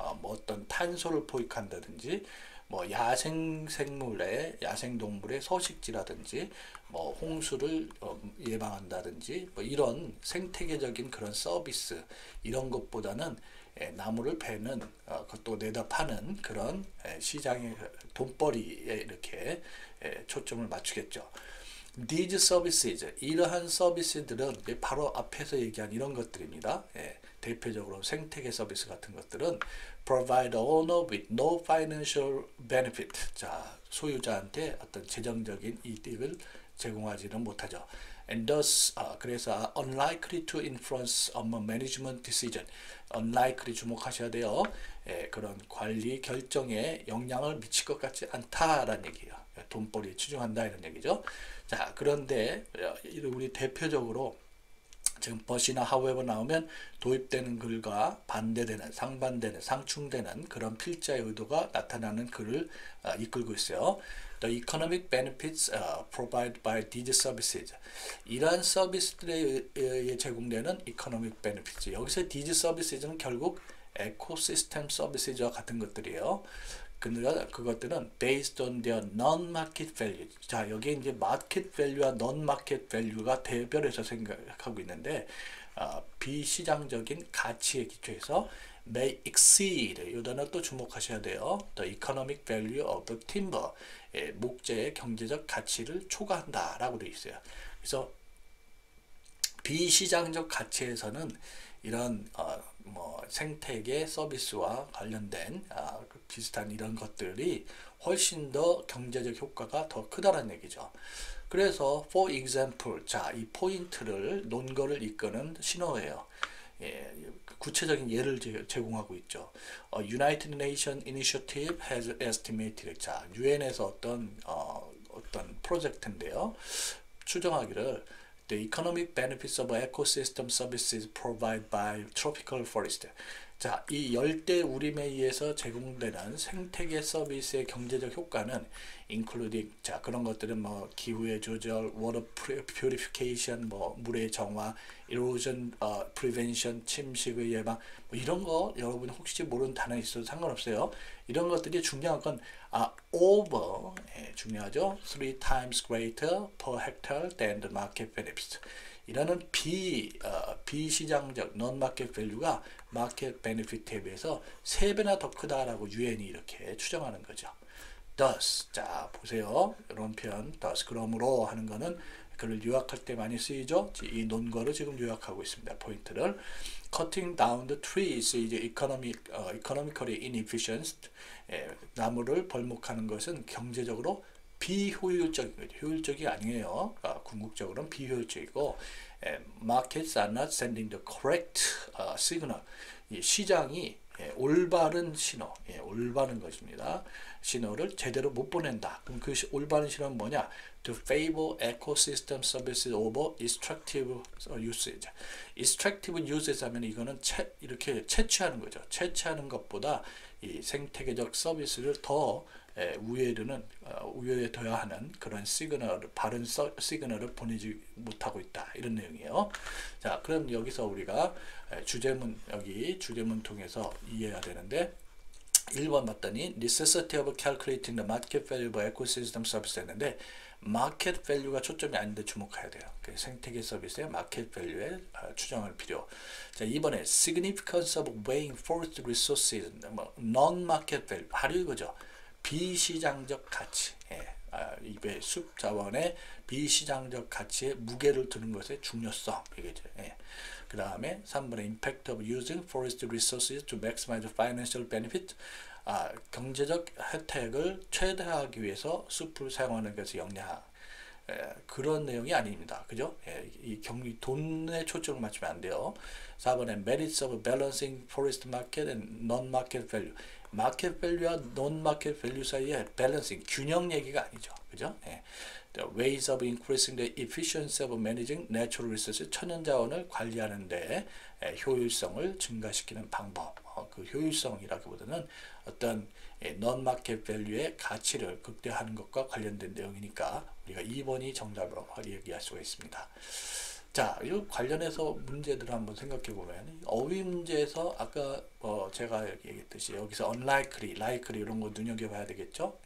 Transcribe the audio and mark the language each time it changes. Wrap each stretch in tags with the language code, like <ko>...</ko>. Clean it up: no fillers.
<ko>뭐 어떤 탄소를 포획한다든지, 뭐 야생 생물의 야생 동물의 서식지라든지 뭐 홍수를 예방한다든지 뭐 이런 생태계적인 그런 서비스 이런 것보다는 나무를 베는 그것도 내다 파는 그런 시장의 돈벌이에 이렇게 초점을 맞추겠죠.</ko> <en>These services</en> <ko>이러한 서비스들은 바로 앞에서 얘기한 이런 것들입니다. 대표적으로 생태계 서비스 같은 것들은</ko> <en>provide owner with no financial benefit.</en> <ko>자, 소유자한테 어떤 재정적인 이득을 제공하지는 못하죠.</ko> <en>And thus,</en> <ko>그래서</ko> <en>unlikely to influence on management decision.</en> <ko>unlikely 주목하셔야 돼요. 그런 관리 결정에 영향을 미칠 것 같지 않다라는 얘기예요. 돈벌이에 치중한다 이런 얘기죠. 자, 그런데 우리 대표적으로 지금 but이나 however 나오면 도입되는 글과 반대되는, 상반되는, 상충되는 그런 필자의 의도가 나타나는 글을 이끌고 있어요.</ko> <en>The economic benefits provided by these services.</en> <ko>이러한 서비스들에 제공되는 economic benefits. 여기서</ko> <en>these services</en> <ko>는 결국</ko> <en>ecosystem services</en> <ko>와 같은 것들이에요. 그것들은</ko> <en>based on their non-market value.</en> <ko>자, 여기 이제 market value와 non-market value가 대별해서 생각하고 있는데, 비시장적인 가치에 기초해서</ko> <en>may exceed.</en> <ko>이 단어 또 주목하셔야 돼요.</ko> <en>The economic value of the timber.</en> <ko>목재의 경제적 가치를 초과한다라고 되어 있어요. 그래서 비시장적 가치에서는 이런 뭐 생태계 서비스와 관련된 비슷한 이런 것들이 훨씬 더 경제적 효과가 더 크다는 얘기죠. 그래서 for example, 자, 이 포인트를 논거를 이끄는 신호예요. 구체적인 예를 제공하고 있죠.</ko> <en>United Nations Initiative has estimated,</en> <ko>자, UN에서 어떤 프로젝트인데요. 추정하기를</ko> <en>The economic benefits of ecosystem services provided by tropical forest.</en> <ko>자, 이 열대 우림에 의해서 제공되는 생태계 서비스의 경제적 효과는</ko> <en>including</en> <ko>자, 그런 것들은 뭐 기후의 조절,</ko> <en>water purification,</en> <ko>뭐 물의 정화,</ko> <en>erosion prevention,</en> <ko>침식의 예방 뭐 이런 거 여러분 혹시 모르는 단어 있어도 상관없어요. 이런 것들이 중요한 건</ko> <en>over</en> <ko>중요하죠.</ko> <en>3 times greater per hectare than the market benefits.</en> <ko>이라는 비시장적 non-market value가 market benefit에 비해서 3배나 더 크다라고 유엔이 이렇게 추정하는 거죠.</ko> <en>Thus,</en> <ko>자, 보세요. 이런 표현, thus, 그러므로 하는 거는 글을 요약할 때 많이 쓰이죠. 이 논거를 지금 요약하고 있습니다. 포인트를.</ko> <en>Cutting down the trees is economically inefficient.</en> <ko>나무를 벌목하는 것은 경제적으로 비효율적인 거죠. 효율적이 아니에요. 궁극적으로는 비효율적이고,</ko> <en>markets are not sending the correct signal.</en> <ko>시장이 올바른 신호, 올바른 것입니다. 신호를 제대로 못 보낸다. 그럼 그 올바른 신호는 뭐냐?</ko> <en>To favor ecosystem services over extractive uses. Extractive uses</en> <ko>하면 이거는 이렇게 채취하는 거죠. 채취하는 것보다 이 생태계적 서비스를 더 우회에 둬야 하는 그런 바른 시그널을 보내지 못하고 있다. 이런 내용이에요. 자, 그럼 여기서 우리가 여기 주제문 통해서 이해해야 되는데, 1번 봤더니,</ko> <en>necessity of calculating the market value of ecosystem service</en> <ko>했는데, market value가 초점이 아닌데 주목해야 돼요. 생태계 서비스의 market value에 추정할 필요. 자, 2번에,</ko> <en>significance of weighing forest resources, non-market value,</en> <ko>발효 이거죠. 비시장적 가치, 입에 숲 자원의 비시장적 가치의 무게를 두는 것의 중요성, 이게 이제, 그 다음에 3번에</ko> <en>impact of using forest resources to maximize financial benefit,</en> <ko>경제적 혜택을 최대화하기 위해서 숲을 사용하는 것의 역량, 그런 내용이 아닙니다, 그죠? 이 경기 돈에 초점을 맞추면 안 돼요. 4번에</ko> <en>merits of balancing forest market and non-market value.</en> <ko>마켓 밸류와 논 마켓 밸류 사이의 밸런싱, 균형 얘기가 아니죠. 그죠?</ko> <en>The ways of increasing the efficiency of managing natural resources,</en> <ko>천연 자원을 관리하는 데 효율성을 증가시키는 방법. 그 효율성이라기보다는 어떤 논 마켓 밸류의 가치를 극대화하는 것과 관련된 내용이니까 우리가 2번이 정답으로 얘기할 수가 있습니다. 자, 이 관련해서 문제들을 한번 생각해 보면, 어휘 문제에서 아까 제가 얘기했듯이 여기서 unlikely, likely 이런 거 눈여겨봐야 되겠죠?</ko>